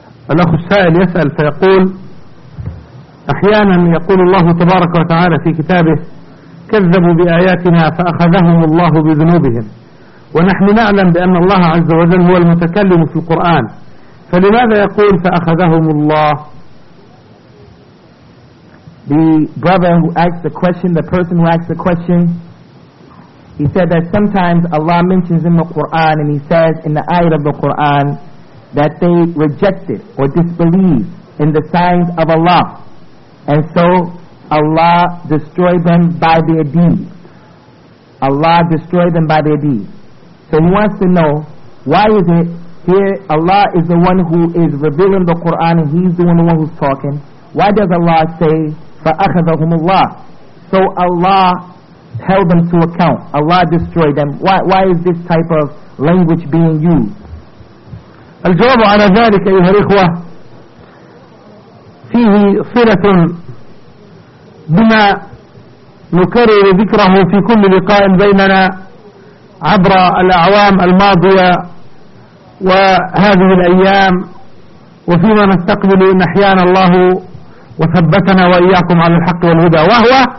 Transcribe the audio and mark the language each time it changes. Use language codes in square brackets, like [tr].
[ar] الأخ السائل يسأل فيقول أحيانا يقول الله تبارك وتعالى في كتابه كذبوا بآياتنا فأخذهم الله بذنوبهم، ونحن نعلم بأن الله عز وجل هو المتكلم في القرآن، فلماذا يقول فأخذهم الله؟ [en] The brother who asked the question, the person who asked the question, he said that sometimes Allah mentions in the Quran, and he says in the ayat of the Quran that they rejected or disbelieved in the signs of Allah, and so Allah destroyed them by their deeds. Allah destroyed them by their deeds. So he wants to know, why is it here Allah is the one who is revealing the Quran and he's the one who's talking? Why does Allah say [ar] فَأَخَذَهُمُ اللَّهُ, [en] so Allah held them to account, Allah destroyed them? Why is this type of language being used? [ar] الجواب على ذلك أيها الإخوة فيه صلة بما نكرر ذكره في كل لقاء بيننا عبر الأعوام الماضية وهذه الأيام وفيما نستقبل إن أحيانا الله وثبتنا وإياكم على الحق والهدى، وهو